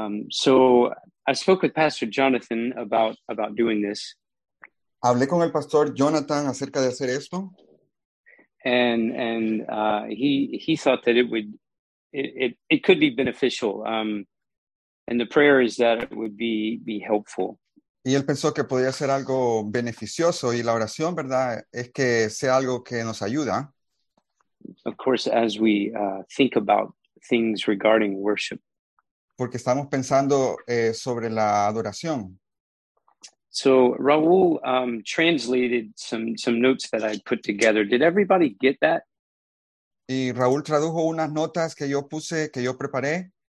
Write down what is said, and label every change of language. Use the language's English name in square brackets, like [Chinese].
[English] So I spoke with Pastor Jonathan about doing this. [Spanish] Hablé con el pastor Jonathan acerca de hacer esto. [English] And he thought that it could be beneficial. And the prayer is that it would be helpful. [Spanish] Y él pensó que podía ser algo beneficioso y la oración, ¿verdad? Es que sea algo que nos ayuda. [English] Of course, as we think about things regarding worship. [Spanish] Porque estamos pensando sobre la adoración. [English] So Raul translated some notes that I put together. Did everybody get that? [Spanish] Y Raúl tradujo unas notas que yo puse, que yo preparé.